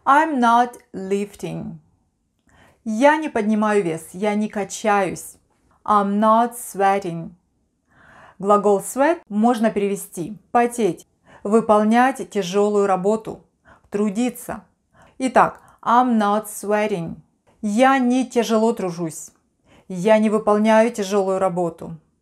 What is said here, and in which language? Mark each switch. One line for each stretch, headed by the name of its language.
English: I'm not lifting.
Russian: Я не поднимаю вес. Я не качаюсь.
English: I'm not sweating.
Russian: Глагол sweat можно перевести. Потеть. Выполнять тяжелую работу. Трудиться. Итак,
English: I'm not sweating.
Russian: Я не тяжело тружусь. Я не выполняю тяжелую работу.